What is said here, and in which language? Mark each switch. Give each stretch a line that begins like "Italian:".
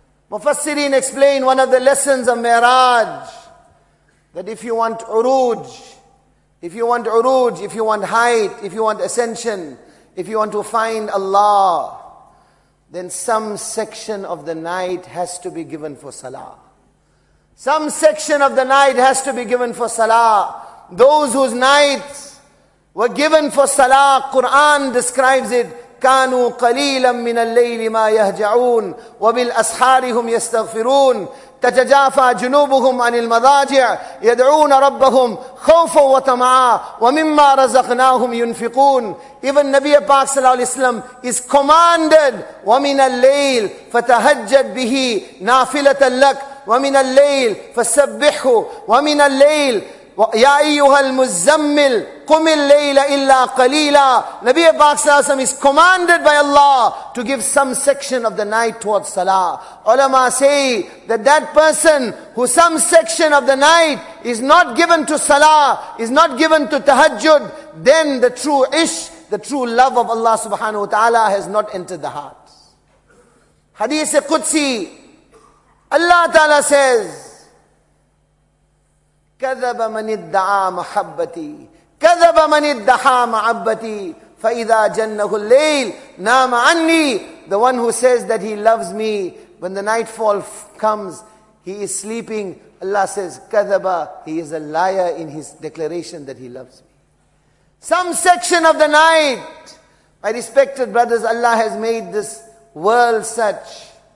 English: Mufassirin explained one of the lessons of Mi'raj, that if you want uruj, if you want height, if you want ascension, if you want to find Allah, then some section of the night has to be given for salah. Some section of the night has to be given for salah. Those whose nights were given for salah, Quran describes it,
Arabic: كانوا قليلا من الليل ما يهجعون وبالأسحار هم يستغفرون تتجافى جنوبهم عن المضاجع يدعون ربهم خوفا وطمعا ومما رزقناهم ينفقون.
English: Even Nabi Pak sallallahu alaihi wasallam is commanded,
Arabic: ومن الليل فتهجد به نافلة لك ومن الليل فسبحه ومن الليل يا أيها المزمل قم الليل إلا قليلا.
English: Nabi Pak sallallahu is commanded by Allah to give some section of the night towards salah. Ulama say that person who some section of the night is not given to salah, is not given to tahajjud, then the true ish, the true love of Allah subhanahu wa ta'ala has not entered the heart. Hadith Qudsi, Allah ta'ala says,
Arabic: كذب من ادعى محبتي كذب من ادعى معبتي فإذا جنه الليل نام عني.
English: The one who says that he loves me, when the nightfall comes, he is sleeping. Allah says, كذب, he is a liar in his declaration that he loves me. Some section of the night, my respected brothers, Allah has made this world such.